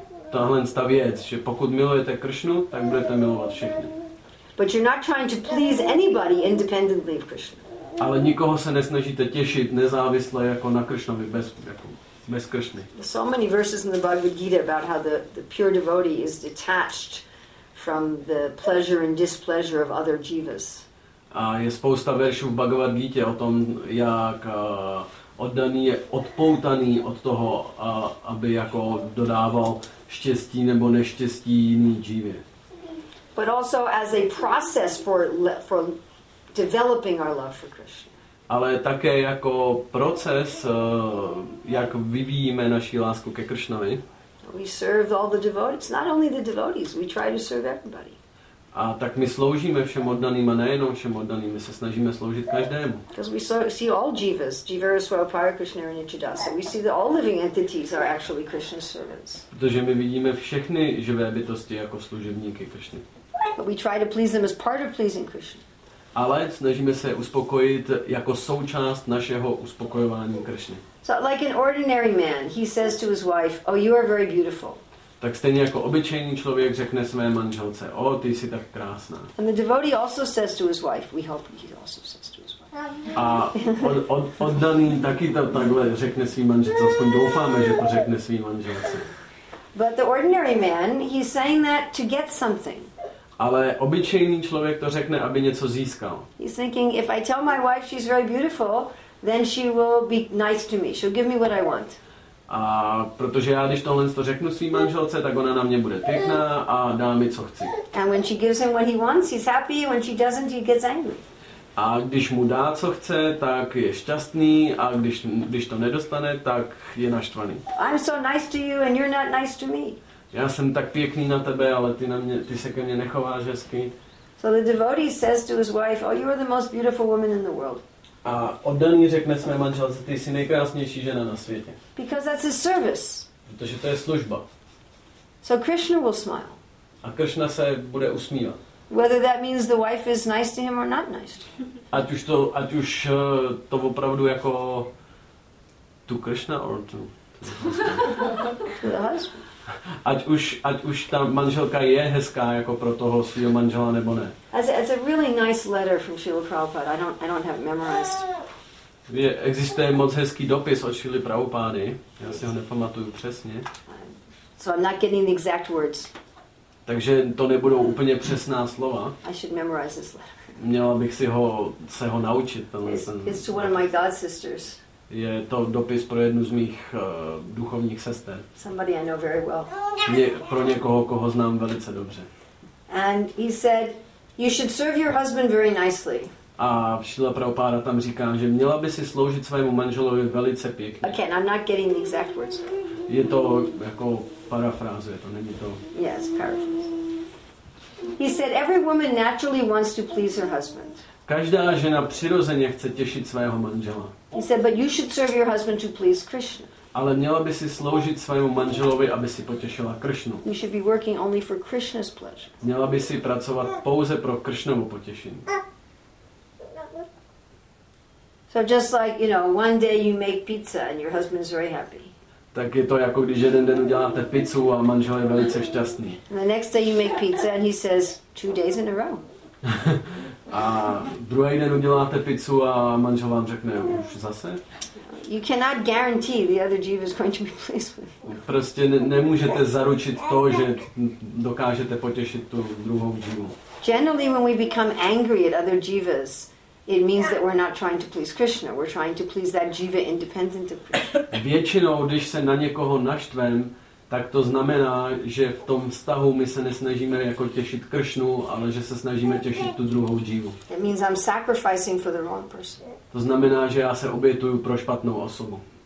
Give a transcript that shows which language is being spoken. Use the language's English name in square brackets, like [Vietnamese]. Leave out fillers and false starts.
[Czech] Tahle ta věc, že pokud milujete Kršnu, tak budete milovat všechny. [English] But you're not trying to please anybody independently of Krishna. [Czech] Ale nikoho se nesnažíte těšit nezávisle jako na Kršnovi bez Kršny. [English] So many verses in the Bhagavad Gita about how the pure devotee is detached from the pleasure and displeasure of other jivas. [Czech] A je spousta veršů v Bhagavad Gita o tom, jak oddaný je odpoutaný od toho, aby jako dodával štěstí nebo neštěstí jiný jivě. [English] But also as a process for developing our love for Krishna. [Czech] Ale také jako proces, jak vyvíjíme naši lásku ke Kršnovi. [English] We serve all the devotees, not only the devotees, we try to serve everybody. [Czech] A tak my sloužíme všem oddaným a nejenom všem oddaným, my se snažíme sloužit každému. [English] Because we see all jivas, [Sanskrit] jivara, swapara, krishna, nityadasa. [English] We see that all living entities are actually Krishna's servants. [Czech] Protože my vidíme všechny živé bytosti jako služebníky Kršny. [English] But we try to please them as part of pleasing Krishna. [Czech] Ale snažíme se uspokojit jako součást našeho uspokojování Krishny. [English] So like an ordinary man, he says to his wife, "Oh, you are very beautiful." [Czech] Tak stejně jako obyčejný člověk řekne své manželce, "Oh, ty jsi tak krásná." [English] And the devotee also says to his wife, "We hope he also says to his wife." [Czech] A oddaný taky to takhle řekne své manželce, aspoň doufáme, že to řekne své manželce. [English] But the ordinary man, he's saying that to get something. [Czech] Ale obyčejný člověk to řekne, aby něco získal. [English] He's thinking, if I tell my wife she's very beautiful, then she will be nice to me. She'll give me what I want. [Czech] A protože já když tohle to řeknu svým manželce, tak ona na mě bude pěkná a dá mi co chci. [English] And when she gives him what he wants, he's happy. When she doesn't, he gets angry. [Czech] A když mu dá co chce, tak je šťastný, a když to nedostane, tak je naštvaný. [English] I'm so nice to you and you're not nice to me. [Czech] Já jsem tak pěkný na tebe, ale ty se ke mně nechováš hezky. [English] So the devotee says to his wife, "Oh, you are the most beautiful woman in the world." [Czech] A oddaný řekne své manželce, ty jsi nejkrásnější žena na světě. [English] Because that's his service. [Czech] Protože to je služba. [English] So Krishna will smile. [Czech] A Krishna se bude usmívat. [English] Whether that means the wife is nice to him or not nice. [Czech] Ať už to opravdu jako tu Krishna [English] or to the husband. [Czech] Ať už ta manželka je hezká jako pro toho svého manžela nebo ne. [English] It's a really nice letter from Srila Prabhupada. I don't have it memorized. [Czech] Existuje moc hezký dopis od Srily Prabhupády. Já si ho nepamatuju přesně. [English] So I'm not getting the exact words. [Czech] Takže to nebudou úplně přesná slova. [English] I should memorize this letter. [Czech] Měla bych si se ho naučit. [English] It's to one of my god sisters. [Czech] Je to dopis pro jednu z mých duchovních sester. [English] Somebody I know very well. [Czech] Pro někoho, koho znám velice dobře. [English] And he said, "You should serve your husband very nicely." [Czech] A Šila Prabhupáda tam říká, že měla by si sloužit svému manželovi velice pěkně. [English] Okay, I'm not getting the exact words. [Czech] Je to jako parafráze, to není to. [English] Yes, paraphrase. He said, "Every woman naturally wants to please her husband." [Czech] Každá žena přirozeně chce těšit svého manžela. [English] He said, "But you should serve your husband to please Krishna." [Czech] Ale měla by si sloužit svému manželovi, aby si potěšila Krishnu. [English] You should be working only for Krishna's pleasure. [Czech] Měla by si pracovat pouze pro Krishnovo potěšení. [English] So just like, you know, one day you make pizza and your husband's very happy. [Czech] Tak je to jako když jeden den uděláte pizzu a manžel je velice šťastný. [English] And the next day you make pizza and he says, "Two days in a row." [Czech] A druhý den uděláte pizzu a manžel vám řekne, už zase? [English] You cannot guarantee the other jiva is going to be pleased with. [Czech] Prostě nemůžete zaručit to, že dokážete potěšit tu druhou jivu. [English] Generally, when we become angry at other jivas, it means that we're not trying to please Krishna. We're trying to please that jiva independent of Krishna. [Czech] Většinou, když se na někoho naštvem, tak to znamená, že v tom vztahu my se nesnažíme jako těšit Kršnu, ale že se snažíme těšit tu druhou džívu. [English] It means I'm sacrificing for the wrong person. [Czech] To znamená, že já se obětuju pro špatnou osobu.